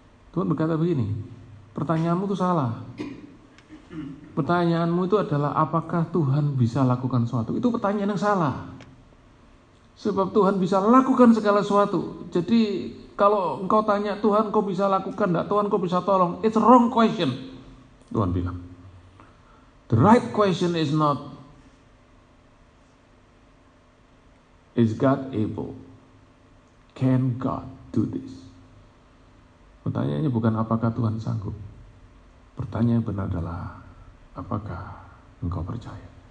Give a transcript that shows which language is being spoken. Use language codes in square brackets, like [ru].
[id] Tuhan berkata begini, pertanyaanmu itu salah. Pertanyaanmu itu adalah apakah Tuhan bisa lakukan sesuatu? Itu pertanyaan yang salah. Sebab Tuhan bisa lakukan segala sesuatu. Jadi kalau engkau tanya Tuhan, kau bisa lakukan enggak? Tuhan, kau bisa tolong? [en] It's wrong question. [id] Tuhan bilang. [en] The right question is not, is God able? Can God do this? [id] Pertanyaannya bukan apakah Tuhan sanggup. Pertanyaan yang benar adalah, apakah engkau percaya?